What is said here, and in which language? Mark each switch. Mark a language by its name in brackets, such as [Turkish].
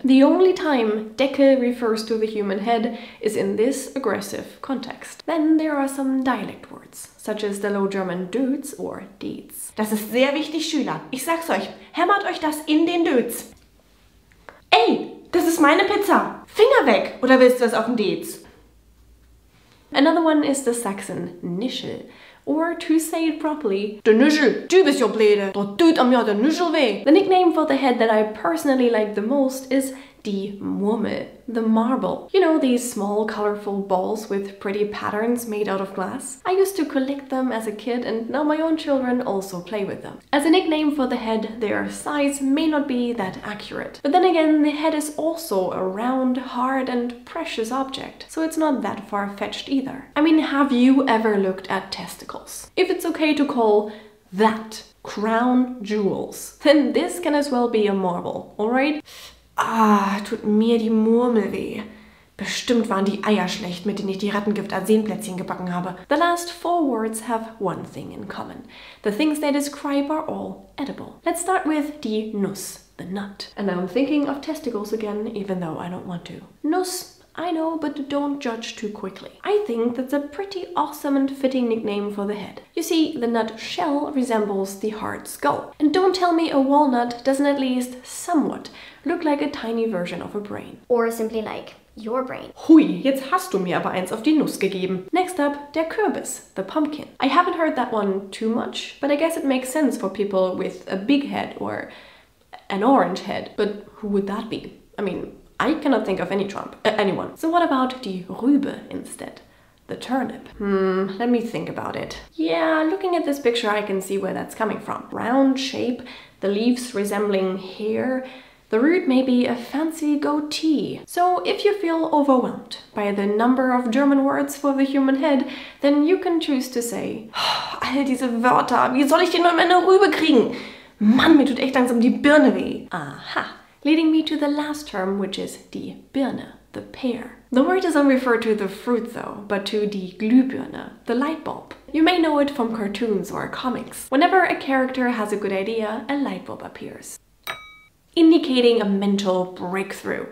[English] The only time Deckel refers to the human head is in this aggressive context. Then there are some dialect words, such as the Low German Dötz or Dietz. [German] Das ist sehr wichtig, Schüler. Ich sag's euch, hämmert euch das in den Dötz. Ey, das ist meine Pizza. Finger weg, oder willst du das auf den Dietz? [English] Another one is the Saxon Nischel. Or to say it properly, [German] der Nischel, du bist ja blöde, da tut am ja der Nischel weh. [English] The nickname for the head that I personally like the most is die Murmel, the marble. You know, these small colorful balls with pretty patterns made out of glass? I used to collect them as a kid and now my own children also play with them. As a nickname for the head, their size may not be that accurate. But then again, the head is also a round, hard and precious object, so it's not that far-fetched either. I mean, have you ever looked at testicles? If it's okay to call that crown jewels, then this can as well be a marble, alright? [German] Ah, tut mir die Murmel weh. Bestimmt waren die Eier schlecht, mit denen ich die Rattengift als Seenplätzchen gebacken habe. [English] The last four words have one thing in common. The things they describe are all edible. Let's start with die Nuss, the nut. And I'm thinking of testicles again, even though I don't want to. Nuss. I know, but don't judge too quickly. I think that's a pretty awesome and fitting nickname for the head. You see, the nut shell resembles the hard skull. And don't tell me a walnut doesn't at least somewhat look like a tiny version of a brain. Or simply like your brain. [German] Hui, jetzt hast du mir aber eins auf die Nuss gegeben. [English] Next up, der Kürbis, the pumpkin. I haven't heard that one too much, but I guess it makes sense for people with a big head or an orange head. But who would that be? I mean, I cannot think of any Trump. Anyone. So what about die Rübe instead? The turnip. Let me think about it. Yeah, looking at this picture I can see where that's coming from. Round shape, the leaves resembling hair, the root may be a fancy goatee. So if you feel overwhelmed by the number of German words for the human head, then you can choose to say, [German] all diese Wörter, wie soll ich denn nur meine Rübe kriegen? Mann, mir tut echt langsam die Birne weh. Aha. [English] Leading me to the last term, which is die Birne, the pear. The word doesn't refer to the fruit though, but to die Glühbirne, the light bulb. You may know it from cartoons or comics. Whenever a character has a good idea, a light bulb appears, indicating a mental breakthrough.